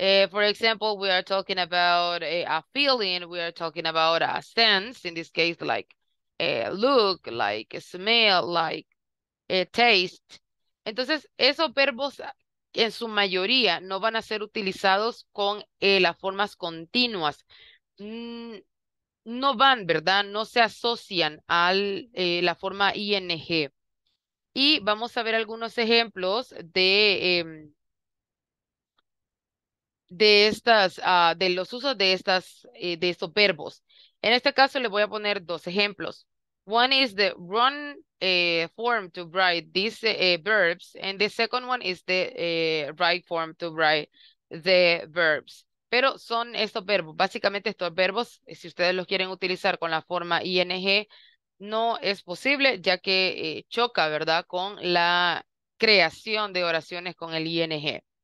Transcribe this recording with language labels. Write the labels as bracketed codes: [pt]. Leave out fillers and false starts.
[en] For example, we are talking about a feeling, we are talking about a sense, in this case, like a look, like a smell, like a taste. [es] Entonces, esos verbos en su mayoría no van a ser utilizados con las formas continuas. No van, ¿verdad? No se asocian a la forma ing. Y vamos a ver algunos ejemplos de los usos de estos verbos. En este caso le voy a poner dos ejemplos. [en] One is the run form to write these verbs, and the second one is the write form to write the verbs. [es] Pero son estos verbos, básicamente estos verbos, si ustedes los quieren utilizar con la forma ing, no es posible, ya que choca, ¿verdad?, con la creación de oraciones con el ing.